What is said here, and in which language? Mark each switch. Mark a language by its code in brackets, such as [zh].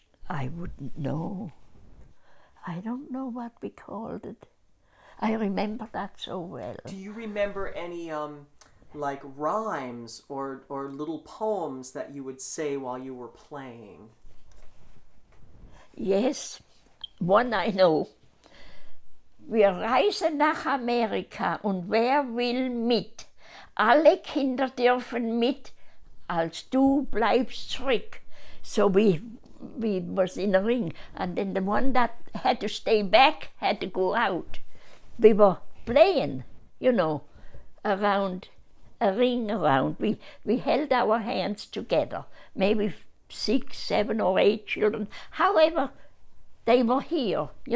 [en] I wouldn't know. I don't know what we called it. I remember that so well. Do you remember any rhymes or little poems that you would say while you were playing? Yes, one I know. [de] Wir reisen nach Amerika und wer will mit? Alle Kinder dürfen mit, als du bleibst zurück. [en] So we was in a ring, and then the one that had to stay back had to go out. We were playing, around a ring around. We held our hands together, maybe 6, 7, or 8 children. However, they were here,